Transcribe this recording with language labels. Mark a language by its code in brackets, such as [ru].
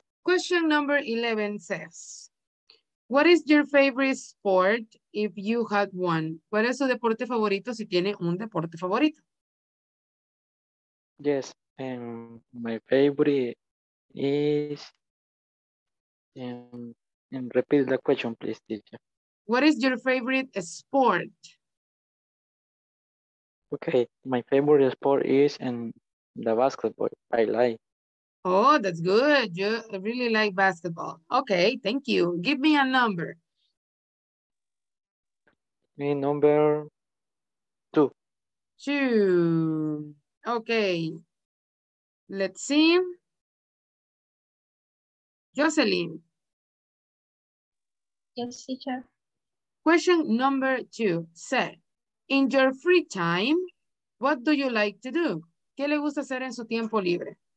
[en] Question number 11 says, what is your favorite sport if you had one? [es] ¿Cuál es su deporte favorito si tiene un deporte favorito? [en] Yes, my favorite is, and repeat the question, please, teacher. What is your favorite sport? Okay, my favorite sport is in the basketball. I like. Oh, that's good. You really like basketball. Okay, thank you. Give me a number. Me number two. Two. Okay. Let's see. Jocelyn. Yes, teacher. Question number two said, in your free time, what do you like to do? [es] ¿Qué le gusta hacer en su tiempo libre?